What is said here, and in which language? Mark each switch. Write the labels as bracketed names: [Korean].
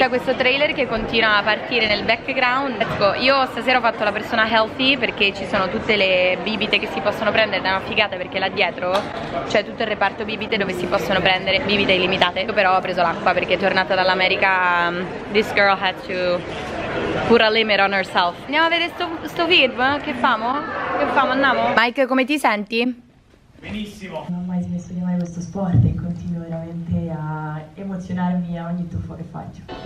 [Italian] C'è questo trailer che continua a partire nel background. Ecco, io stasera ho fatto la persona healthy perché ci sono tutte le bibite che si possono prendere. È una figata perché là dietro c'è tutto il reparto bibite dove si possono prendere bibite illimitate. Io però ho preso l'acqua perché è tornata dall'America. [English] This girl had to put a limit on herself. [Italian] Andiamo a vedere sto film, eh? Che famo? Che famo, andiamo? Mike, come ti senti? Benissimo. Non ho mai smesso di amare questo sport e continuo veramente a emozionarmi a ogni tuffo che faccio.